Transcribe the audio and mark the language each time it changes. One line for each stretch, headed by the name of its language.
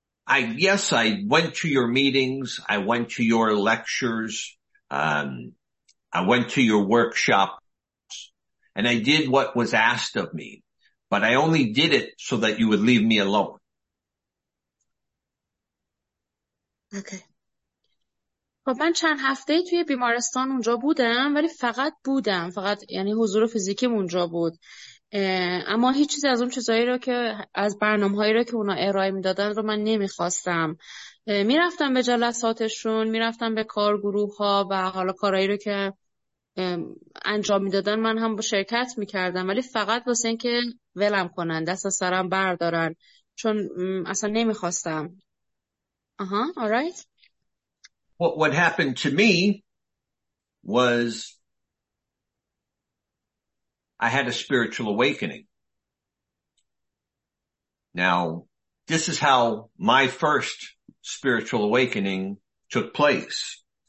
English: Yes, I went to your meetings. I went to your lectures. I went to your workshops, and I did what was asked of me. But I only did it so that you would leave me alone. Okay.
Persian: خب من چند هفته توی بیمارستان اونجا بودم، ولی فقط بودم، فقط یعنی حضور فیزیکی اونجا بود. اما هیچ چیز از اون چیزایی رو که از برنامه‌هایی رو که اونا ارائه می‌دادن رو من نمی‌خواستم. می‌رفتم به جلساتشون، می‌رفتم به کارگروه‌ها و حالا کارهایی رو که انجام میدادن من هم با شرکت میکردم، ولی فقط واسه این که ولم کنن، دست از سرم بردارن، چون اصلا نمیخواستم. آها، alright.
English: What happened to me was I had a spiritual awakening. Now, this is how my first spiritual awakening took place.